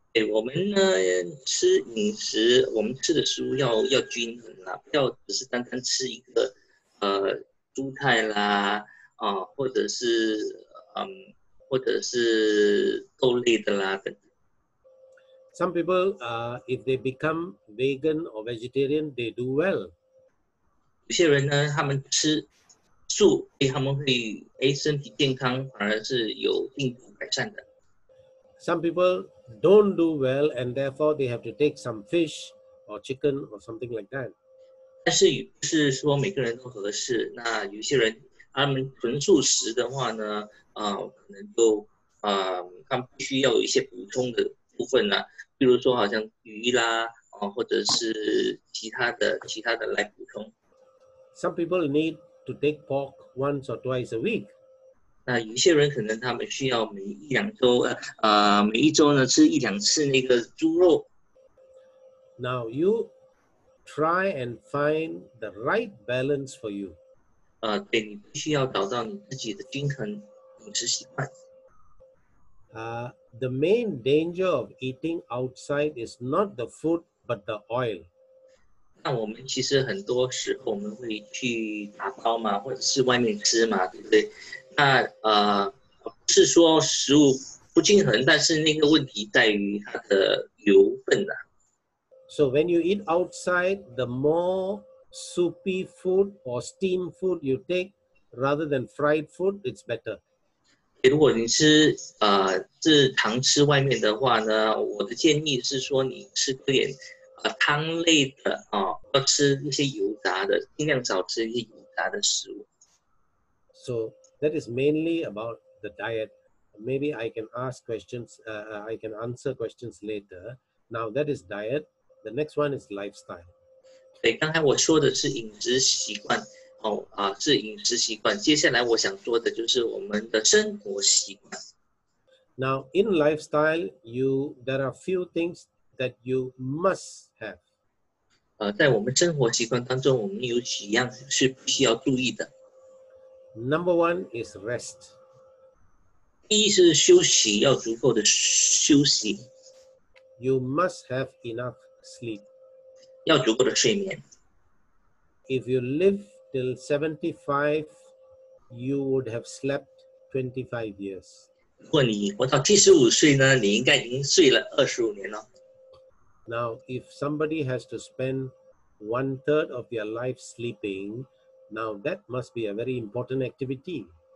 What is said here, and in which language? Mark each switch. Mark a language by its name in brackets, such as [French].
[Chinese] 我们呢吃饮食，我们吃的食物要均衡啊，不要只是单单吃一个猪太啦，啊，或者是或者是豆类的啦等等。 [English] Some people, if they become vegan or vegetarian, they do well. [Chinese] 有些人呢，他们吃素，他们会身体健康，反而是有进步改善的。 [English] Some people don't do well, and therefore they have to take some fish or chicken or something like that. [Chinese] 但是不是说每个人都合适？那有些人他们纯素食的话呢，可能就他们必须要有一些补充的部分啦，比如说好像鱼啦，或者是其他的来补充。 [English] Some people need to take pork once or twice a week. [Chinese] 那有些人可能他们需要每一两周，每一周呢吃一两次那个猪肉。 [English] Now you try and find the right balance for you. [Chinese] 对，你必须要找到你自己的均衡饮食习惯。 [English] The main danger of eating outside is not the food but the oil. [Chinese] 那我们其实很多时候我们会去打包嘛，或者是外面吃嘛，对不对？那不是说食物不均衡，但是那个问题在于它的油分啊。 [English] So when you eat outside, the more soupy food or steam food you take, rather than fried food, it's better. [Chinese] 如果你吃是常吃外面的话呢，我的建议是说你吃点汤类的啊，要吃一些油炸的，尽量少吃一些油炸的食物。 [English] So. That is mainly about the diet. Maybe I can ask questions, I can answer questions later. Now that is diet. The next one is lifestyle. [Chinese] 对，刚才我说的是饮食习惯，是饮食习惯。接下来我想说的就是我们的生活习惯。 [English] Now in lifestyle, there are few things that you must have. [Chinese] 在我们生活习惯当中，我们有几样是必须要注意的。 [English] Number one is rest. [Chinese] 第一是休息，要足够的休息。 [English] You must have enough sleep. [Chinese] 要足够的睡眠。 [English] If you live till 75, you would have slept 25 years. [Chinese] 如果你活到75岁呢，你应该已经睡了25年了。 [English] Now, if somebody has to spend one third of their life sleeping,Now that must be a very important activity.